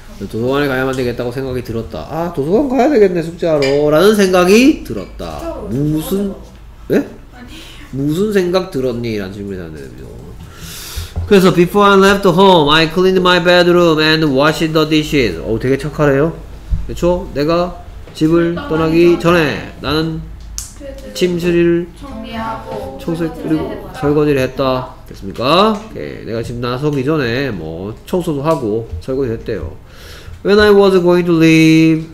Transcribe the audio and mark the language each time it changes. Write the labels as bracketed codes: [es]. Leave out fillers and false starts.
[ko] 도서관에 가야만 되겠다고 생각이 들었다. 아, 도서관 가야 되겠네, 숙제하러. 라는 생각이 들었다. 무슨, 예? 무슨 생각 들었니? 라는 질문이 나는데, 그죠? 그래서, [en] before I left home, I cleaned my bedroom and washed the dishes. [ko] 어우, 되게 착하래요. 그쵸? 내가 집을 떠나기 전에 나는 침실을 정리하고 청소, 그리고 설거지를 했다. 됐습니까? 오케이. 내가 집 나서기 전에 뭐, 청소도 하고 설거지 했대요. [en] When I was going to leave.